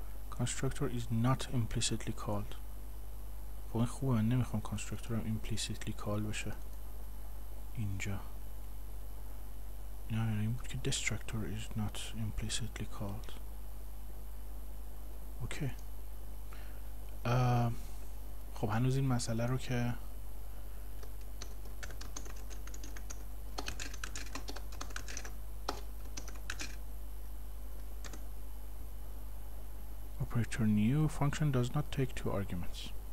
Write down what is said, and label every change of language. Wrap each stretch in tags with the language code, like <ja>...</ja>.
<en>constructor is not implicitly called.</en> <fa>خب این خوبه، من نمیخوام constructor هم implicitly call بشه اینجا. نه نه این بود که</fa> <en>destructor is not implicitly called.</en> <fa>اوکی خب هنوز این مسئله رو که</fa> <en>operator new function does not take two arguments.</en>